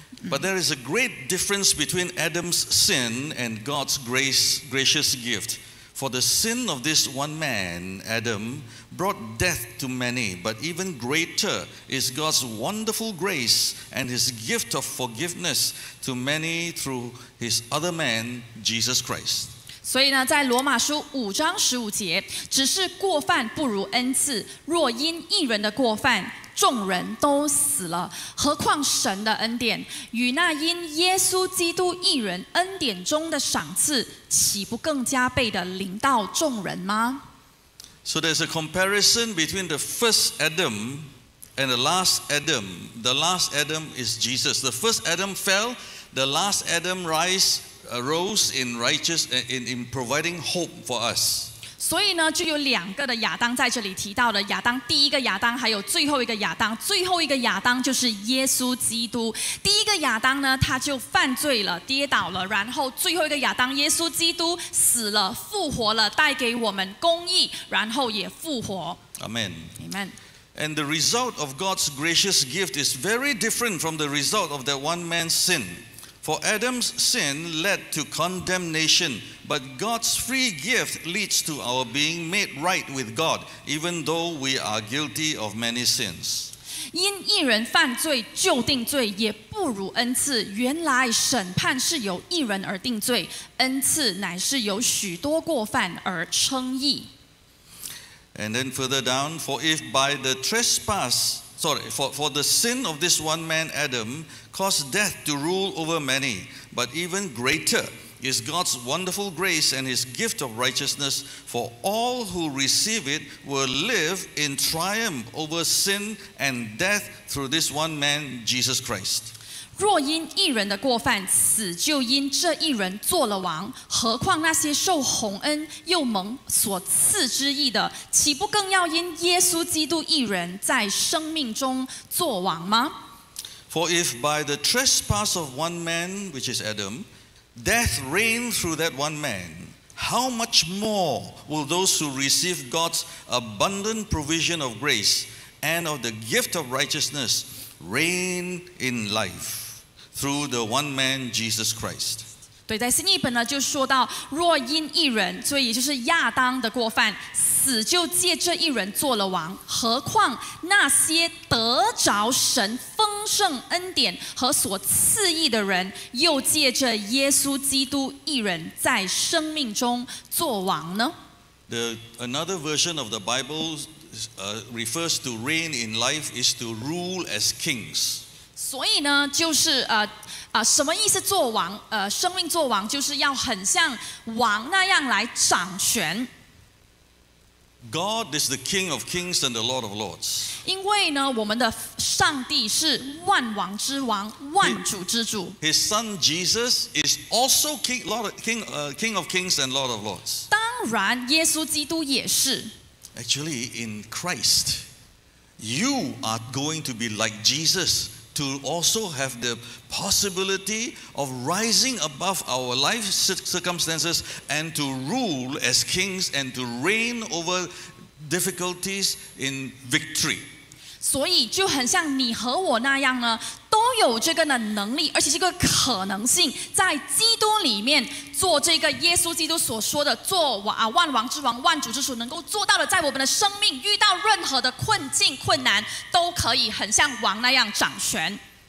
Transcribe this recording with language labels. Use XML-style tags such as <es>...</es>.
<en>But there is a great difference between Adam's sin and God's grace, gracious gift. For the sin of this one man, Adam, brought death to many, but even greater is God's wonderful grace and his gift of forgiveness to many through his other man, Jesus Christ.</en> <zh>所以呢，在罗马书五章十五节，只是过犯不如恩赐。若因一人的过犯，众人都死了，何况神的恩典与那因耶稣基督一人恩典中的赏赐，岂不更加倍的临到众人吗</zh> <en>？So there's a comparison between the first Adam and the last Adam. The last Adam is Jesus. The first Adam fell. The last Adam rise. Arose in righteous in providing hope for us.</en> <zh>所以呢，就有两个的亚当在这里提到的亚当，第一个亚当，还有最后一个亚当。最后一个亚当就是耶稣基督。第一个亚当呢，他就犯罪了，跌倒了。然后最后一个亚当，耶稣基督死了，复活了，带给我们公义，然后也复活。</zh> <en>Amen. Amen. And the result of God's gracious gift is very different from the result of that one man's sin. For Adam's sin led to condemnation, but God's free gift leads to our being made right with God, even though we are guilty of many sins.</en> <zh>因一人犯罪就定罪，也不如恩赐。原来审判是由一人而定罪，恩赐乃是由许多过犯而称义。</zh> <en>And then further down, for if by the trespass, for the sin of this one man Adam,Cause death to rule over many, but even greater is God's wonderful grace and his gift of righteousness, for all who receive it will live in triumph over sin and death through this one man, Jesus Christ.</en> <zh>若因一人的过犯，死就因这一人做了王，何况那些受洪恩又蒙所赐之义的，岂不更要因耶稣基督一人在生命中做王吗？</zh> <en>For if by the trespass of one man, which is Adam, death reigned through that one man, how much more will those who receive God's abundant provision of grace and of the gift of righteousness reign in life through the one man, Jesus Christ?</en> <zh>对，在新译本呢，就说到，若因一人，所以也就是亚当的过犯，死就借这一人做了王，何况那些得着神丰盛恩典和所赐义的人，又借着耶稣基督一人在生命中做王呢？</zh> <en>The another version of the Bible refers to reign in life is to rule as kings.</en> <zh>所以呢，就是什么意思做王？生命做王就是要很像王那样来掌权。</zh> <en>God is the King of Kings and the Lord of Lords.</en> <zh>因为呢，我们的上帝是万王之王，万主之主。</zh> <en>His Son Jesus is also King of Kings and Lord of Lords.</en> <zh>当然，耶稣基督也是。</zh> <en>Actually, in Christ, you are going to be like Jesus. To also have the possibility of rising above our life circumstances and to rule as kings and to reign over difficulties in victory.</en> <zh>所以就很像你和我那样呢，都有这个的能力，而且这个可能性，在基督里面做这个耶稣基督所说的做万王之王、万主之主，能够做到的，在我们的生命遇到任何的困境、困难，都可以很像王那样掌权。</zh>